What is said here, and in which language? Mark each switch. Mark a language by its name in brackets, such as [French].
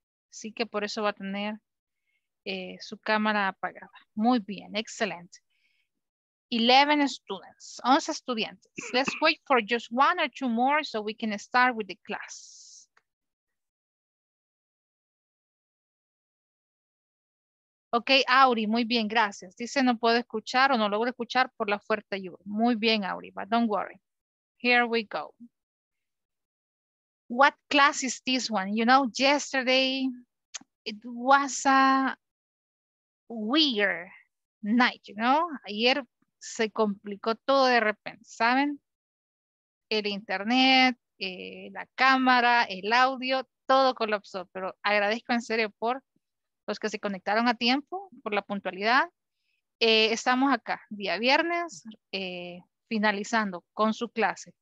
[Spanish] Así que por eso va a tener su cámara apagada. Muy bien. [English] Excellent. 11 students. [Spanish] 11 estudiantes. [English] Let's wait for just one or two more so we can start with the class. [Spanish] Ok, Auri, muy bien, gracias. Dice no puedo escuchar o no logro escuchar por la fuerte lluvia. Muy bien, [English] Auri, but don't worry. Here we go. What class is this one? You know, yesterday it was a weird night, you know? [Spanish] Ayer se complicó todo de repente, ¿saben? El internet, la cámara, el audio, todo colapsó, pero agradezco en serio por los que se conectaron a tiempo, por la puntualidad. Estamos acá, día viernes, finalizando con su clase.